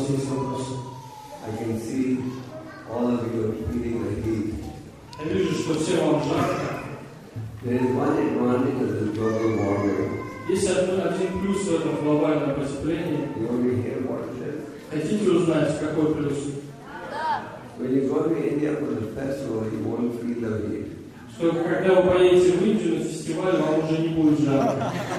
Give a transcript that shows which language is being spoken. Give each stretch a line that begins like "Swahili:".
English: I can see all of you are feeling the heat.
Russian: Я вижу, что все вам жарко.
English: There is one advantage of the global warming.
Russian: Есть один плюс в этом глобальном потеплении.
English: You want to hear what it is?
Russian: Хотите узнать, какой плюс?
English: When you go to India for the festival, you won't feel the heat.
Russian: Что когда вы поедете в Индию на фестиваль, вам уже не будет жарко.